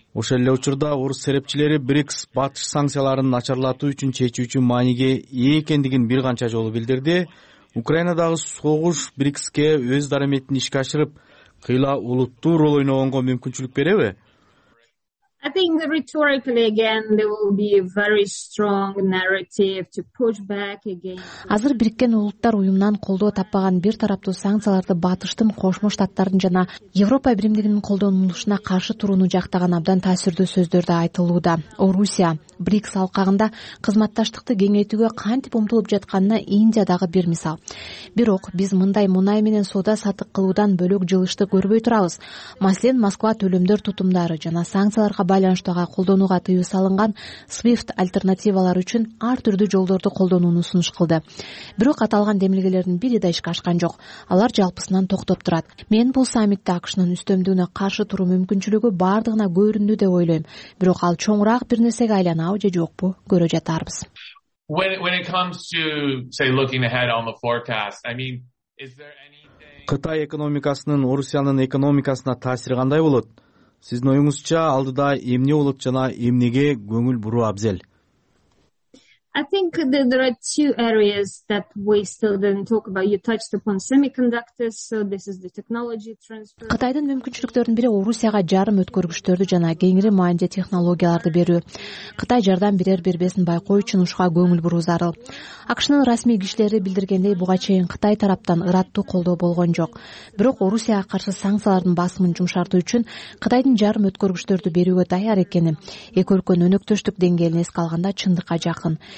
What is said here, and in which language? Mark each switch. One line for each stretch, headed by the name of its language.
Kyrgyz: Ошол эле учурда орус серепчилери БРИКС батыш санкцияларын начарлатуу үчүн чечүүчү мааниге ээ экендигин бир канча жолу билдирди. Украинадагы согуш БРИКСке өз дараметин ишке ашырып, кыйла улуттуу рол ойногонго мүмкүнчүлүк береби?
English: I think rhetorically again there will be a very strong narrative to push back against.
Kyrgyz: Азыр Бириккен Улуттар Уюмунан колдоо таппаган бир тараптуу санкцияларды батыштын Кошмо Штаттардын жана Европа Биримдигинин колдонулушуна каршы турууну жактаган абдан таасирдүү сөздөр да айтылууда. Орусия БРИКС алкагында кызматташтыкты кеңейтүүгө кантип умтулуп жатканына Индия дагы бир мисал. Бирок биз мындай мунай менен соода сатык кылуудан бөлөк жылышты көрбөй турабыз. Маселен, Москва төлөмдөр тутумдары жана санкцияларга байланыштууга колдонууга тыюу салынган SWIFT альтернативалары үчүн ар түрдүү жолдорду колдонууну сунуш кылды. Бирок аталган демилгелердин бири да ишке ашкан жок. Алар жалпысынан токтоп турат. Мен бул саммитте АКШнын үстөмдүгүнө каршы туруу мүмкүнчүлүгү бардыгына көрүндү деп ойлойм. Бирок ал чоңураак бир нерсеге айланат.
English: When it comes to say looking ahead on the forecast, I mean, is there anything
Kyrgyz: Кытай экономикасынын Орусиянын экономикасына таасири кандай болот? Сиздин оюңузча алдыда эмне болот жана эмнеге көңүл буруу абзел?
English: I think that there are two areas that we still didn't talk about. You touched upon semiconductors, so this is the technology transfer.
Kyrgyz: Кытайдын мүмкүнчүлүктөрүн бири Орусияга жарым өткөргүчтөрдү жана кеңири маанилде технологияларды берүү. Кытай жардам берер бербесин байкоо үчүн ушуга көңүл буруу зарыл. АКШнын расмий кишилери билдиргендей, буга чейин Кытай тараптан ыраттуу колдоо болгон жок. Бирок Орусияга каршы санкциялардын басымын жумшартуу үчүн Кытайдын жарым өткөргүчтөрдү берүүгө даяр экени эки өлкөнүн өнөктөштүк деңгээлин эске алганда чындыкка жакын.